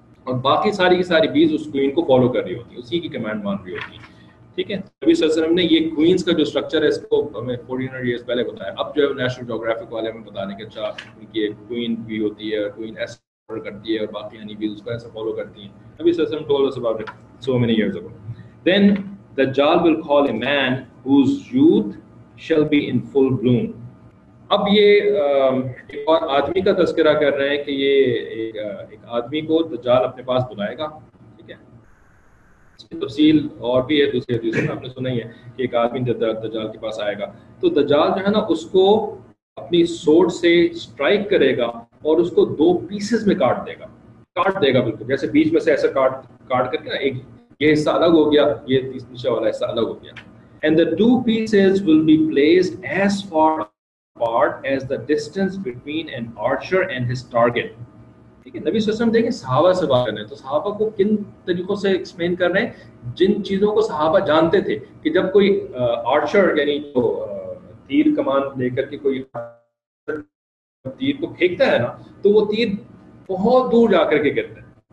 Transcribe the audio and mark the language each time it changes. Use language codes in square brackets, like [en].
[ur] اور باقی ساری کی ساری بیز اس کوئن کو فالو کر رہی ہوتی ہے, اسی کی کمانڈ مان رہی ہوتی ہے. ٹھیک ہے, نبی صلی اللہ علیہ وسلم نے یہ کوئنز کا جو اسٹرکچر ہے اس کو ہمیں 1400 ایئرس پہلے بتایا. اب جو ہے نیشنل جیوگرافک والے ہمیں بتانے کے, اچھا ان کی ایک کوئن بھی ہوتی ہے, کوئن ایسا کرتی ہے اور باقی ہنی بیز اس کو ایسا فالو کرتی ہیں. [en] نبی صلی اللہ علیہ وسلم told us about it so many years ago. Then the Dajjal will call a man whose youth shall be in full bloom. [ur] اب یہ ایک اور آدمی کا تذکرہ کر رہے ہیں کہ یہ ایک آدمی کو دجال اپنے پاس بلائے گا. ٹھیک ہے, اس کی تفصیل اور بھی ہے دوسری حدیث میں, آپ نے سنا ہی ہے کہ ایک آدمی دجال کے پاس آئے گا تو دجال جو ہے نا اس کو اپنی سوٹ سے اسٹرائک کرے گا اور اس کو دو پیسز میں کاٹ دے گا. کاٹ دے گا بالکل, جیسے بیچ میں سے ایسا کاٹ کر کے نا, ایک یہ حصہ الگ ہو گیا, یہ نیچے والا حصہ الگ ہو گیا. [en] And the two pieces will be placed as far part as the distance between an archer and his target. [ur] ٹھیک ہے, نبی صلی اللہ علیہ وسلم دیکھیں صحابہ سے بات کر رہے ہیں تو صحابہ کو کن طریقوں سے ایکسپلین کر رہے ہیں, جن چیزوں کو صحابہ جانتے تھے کہ جب کوئی آرچر یعنی جو تیر کمان لے کر کے کوئی تیر کو پھینکتا ہے نا تو وہ تیر بہت دور جا کر کے گرتا ہے.